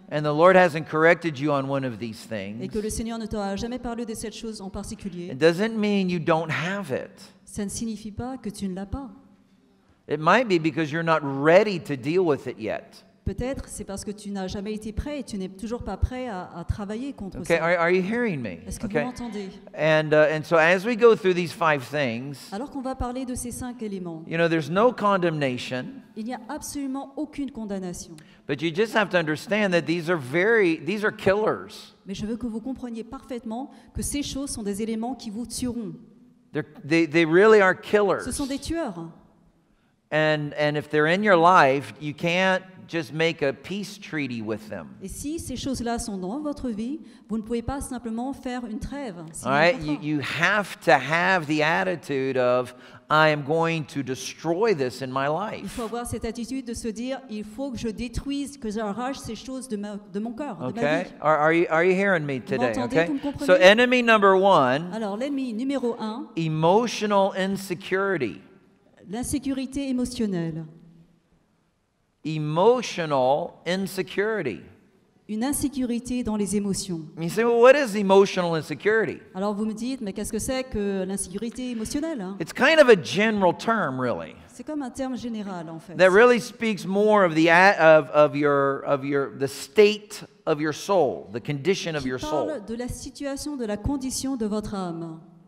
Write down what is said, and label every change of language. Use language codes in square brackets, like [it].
[en] and the Lord hasn't corrected you on one of these things, [fr] et que le Seigneur ne t'a jamais parlé de cette chose en particulier, [en] it doesn't mean you don't have it. [fr] Ça ne signifie pas que tu ne l'as pas. [en] It might be because you're not ready to deal with it yet. [fr] Peut-être c'est parce que tu n'as jamais été prêt et tu n'es toujours pas prêt à travailler contre [en] okay, [fr] ça. [en] Okay, are you hearing me? [fr] Est-ce que okay. vous m'entendez? [en] And so as we go through these five things, [fr] alors qu'on va parler de ces cinq éléments, [en] you know, there's no condemnation. [fr] Il n'y a absolument aucune condamnation. [en] But you just have to understand that these are killers. [fr] Mais je veux que vous compreniez parfaitement que ces choses sont des éléments qui vous tueront. [en] They really are killers. [fr] Ce sont des tueurs. [en] And if they're in your life, you can't just make a peace treaty with them. [fr] Et si ces choses-là sont dans votre vie, vous ne pouvez pas simplement faire une trêve. [en] All right, you have to have the attitude of I am going to destroy this in my life. [fr] Il faut avoir cette attitude de se dire il faut que je détruise, que j'arrache ces choses de mon cœur, [en] okay. [fr] de ma vie. [en] Are you hearing me today? [fr] Vous [en] okay. [fr] Vous [en] so enemy number one. [fr] Alors l'ennemi numéro un. [en] Emotional insecurity. [fr] L'insécurité émotionnelle. [en] Emotional insecurity. [fr] Une insécurité dans les émotions. [en] You say, well, what is emotional insecurity? [fr] Alors vous me dites, mais qu'est-ce que c'est que l'insécurité émotionnelle? [en] It's kind of a general term, really. [fr] C'est comme un terme général, en fait. [en] That really speaks more of the state of your soul, the condition of your soul. [fr] Qui parle de la situation, de la condition de votre âme.